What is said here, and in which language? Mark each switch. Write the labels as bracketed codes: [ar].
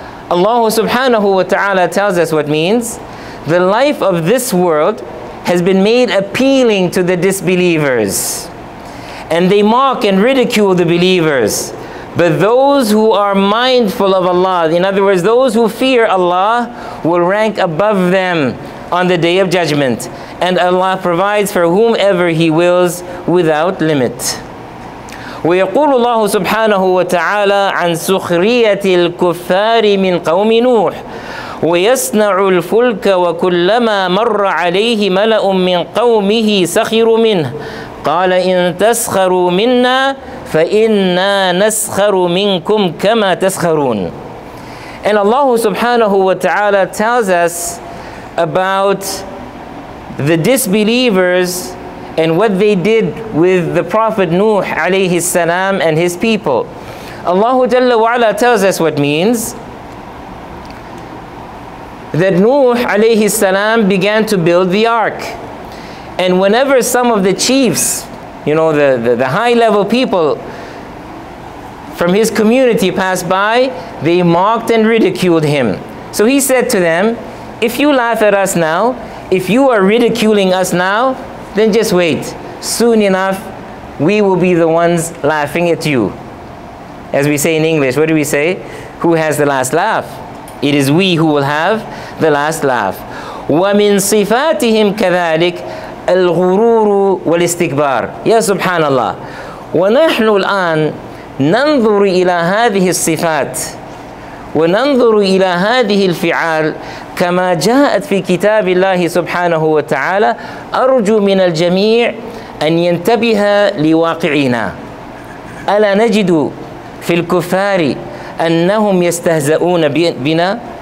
[en] Allah subhanahu wa ta'ala tells us what means. The life of this world has been made appealing to the disbelievers. And they mock and ridicule the believers. But those who are mindful of Allah, in other words, those who fear Allah, will rank above them on the Day of Judgment. And Allah provides for whomever He wills without limit. [ar] ويقول الله سبحانه وتعالى عن سخرية الكفار من قوم نوح ويصنع الفلك وكلما مر عليه ملأ من قومه سخروا منه قال إن تسخروا منا فإنا نسخر منكم كما تسخرون. [en] And Allah subhanahu wa ta'ala tells us about the disbelievers and what they did with the Prophet Nuh alayhi salam and his people. Allah Jalla wa ala tells us what means that Nuh alayhi salam began to build the ark. And whenever some of the chiefs, you know, the high level people from his community passed by, they mocked and ridiculed him. So he said to them, if you laugh at us now, if you are ridiculing us now, then just wait. Soon enough, we will be the ones laughing at you. As we say in English, what do we say? Who has the last laugh? It is we who will have the last laugh. [ar] وَمِن صِفَاتِهِمْ كَذَلِكَ الْغُرُورُ وَالِاسْتِكْبَارِ Ya Subhanallah. وَنَحْنُ الْآنَ نَنْظُرُ إِلَى هَذِهِ الصِّفَاتِ وننظر إلى هذه الفعال كما جاءت في كتاب الله سبحانه وتعالى أرجو من الجميع أن ينتبه لواقعنا ألا نجد في الكفار أنهم يستهزئون بنا